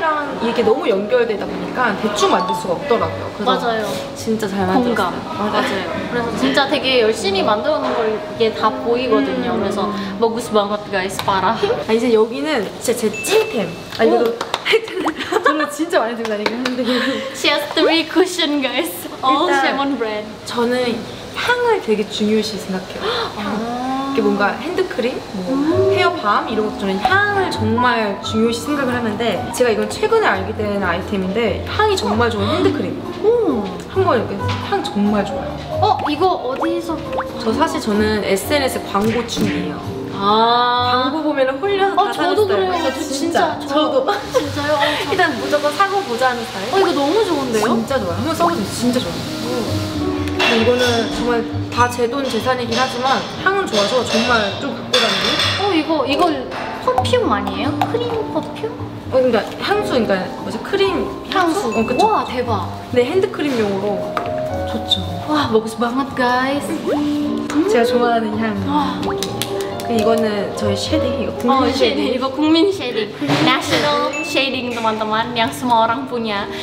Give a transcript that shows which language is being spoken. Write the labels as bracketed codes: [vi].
[ko] 사람이랑 이렇게 너무 연결되다 보니까 대충 만들 수가 없더라고요. 그래서 맞아요. 진짜 잘 만들 공감. 맞아요. 그래서 진짜 되게 열심히 만들어놓은 걸 이게 다 보이거든요. 그래서 먹고 싶은 것들이 있어봐라. 아, 이제 여기는 진짜 제 찐템. 아, 이거 저는 진짜 많이 들고 다니긴 하는데 [en] She has three cushion guys. All Shimon brand. [ko] 저는 향을 되게 중요시 생각해요. 이게 뭔가 핸드크림, 뭐 헤어밤 이런 것도 저는 향을 정말 중요시 생각을 하는데 제가 이건 최근에 알게 된 아이템인데 향이 정말 좋은 핸드크림 한번 이렇게 향 정말 좋아요. 어? 이거 어디서? 저 사실 저는 SNS 광고 충이에요. 아 광고 보면은 홀려서 다 사줬어요. 저도 그래요. 저 진짜. 저도. 진짜요? 일단 무조건 사고 보자는 스타일. 어 이거 너무 좋은데요? 진짜 좋아요. 한번 써보세요. 진짜 좋아요. 이거는 정말 다 제 돈 재산이긴 하지만 향은 좋아서 정말 좀 갖고 다니는. 어 이거 퍼퓸 아니에요? 크림 퍼퓸? 어 그러니까 향수 그러니까 뭐지 크림 향수. 어, 그쵸? 와 대박. 네 핸드크림용으로 좋죠. 와 먹고 싶은 것 guys. 제가 좋아하는 향. 와. 이거는 저희 쉐딩 이거 국민 쉐딩. 쉐딩 이거 국민 쉐딩 [id] national 쉐딩 teman-teman yang semua orang punya.